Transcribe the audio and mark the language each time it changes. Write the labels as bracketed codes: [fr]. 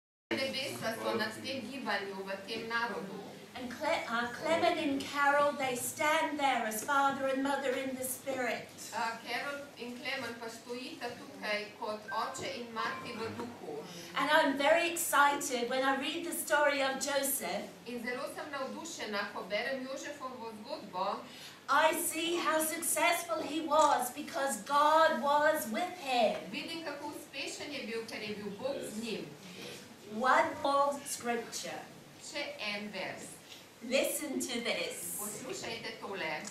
[sl] Nebesa so nad tem gibanju v tem narodu. [en] And Clement and Carol, they stand there as father and mother in the spirit. [sl] Carol in Clement pa stojita tukaj kot oče in mati v duhu. [en] And I'm very excited when I read the story of Joseph. [sl] In zelo sem navdušena, ko berem Jožefovo zgodbo. [en] I see how successful he was because God was with him. [sl] Vidim, kako uspešen je bil, ker je bil Bog z njim. [en] One more scripture. [sl] Še en vers. [en] Listen to this. [sl] Poslušajte tole.